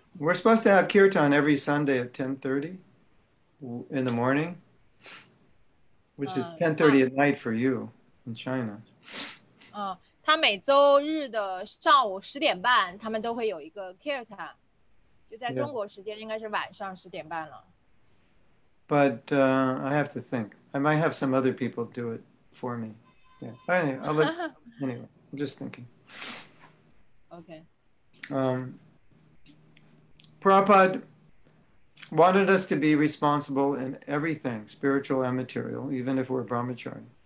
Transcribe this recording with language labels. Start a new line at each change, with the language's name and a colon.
English: We're supposed to have kirtan every Sunday at 10:30 in the morning, which is 10:30 at night for you in China.
Chinese: 他每周日的上午10点半, 他们都会有一个 kirtan, 就在中国时间应该是晚上10点半了。
English: But I have to think. I might have some other people do it for me. Yeah. Anyway, I'm just thinking. Okay. Prabhupada wanted us to be responsible in everything, spiritual and material, even if we're brahmachari.